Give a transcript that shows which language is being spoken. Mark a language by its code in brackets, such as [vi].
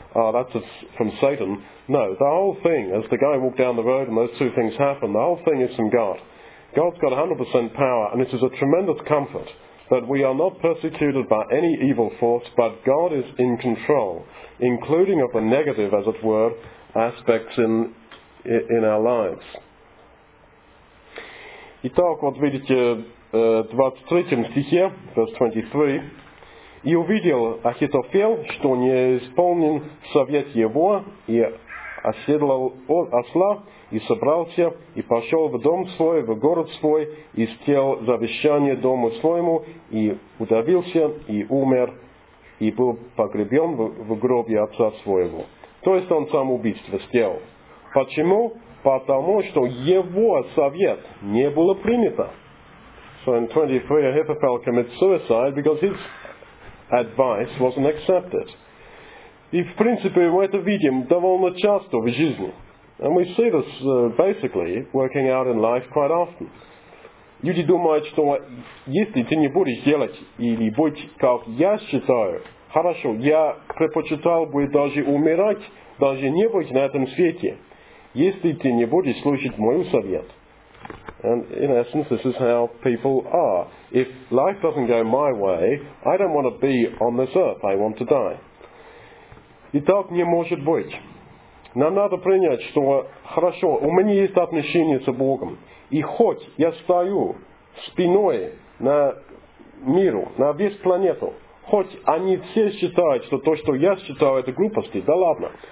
[en] That's from Satan. No, the whole thing, as the guy walked down the road and those two things happened, the whole thing is from God. God's got 100% power, and it is a tremendous comfort that we are not persecuted by any evil force, but God is in control, including of the negative, as it were, aspects in our lives. [ru] Итак, вот видите, 23 стихе, [en] verse 23. [ru] «И увидел Ахитофел, что не исполнен совет его, и оседлал осла, и собрался, и пошел в дом свой, в город свой, и сделал завещание дому своему, и удавился, и умер, и был погребен в гробе отца своего». То есть он сам убийство сделал. Почему? Потому что его совет не было принято. [en] So in 23, Ahithophel commits suicide because his advice wasn't accepted. [ru] И в принципе мы это видим довольно часто в жизни. [en] And we see this basically working out in life quite often. [ru] Люди думают, что если ты не будешь делать или быть, как я считаю, хорошо, я предпочитал бы даже умирать, даже не быть на этом свете, если ты не будешь слушать мой совет. [en] And in essence, this is how people are. If life doesn't go my way, I don't want to be on this earth. I want to die. [ru] И так не может быть. Нам надо принять, что хорошо, у меня есть отношения с Богом. И хоть я стою спиной на миру, на весь планету, хоть они все считают, что то, что я считаю, это глупости, да ладно.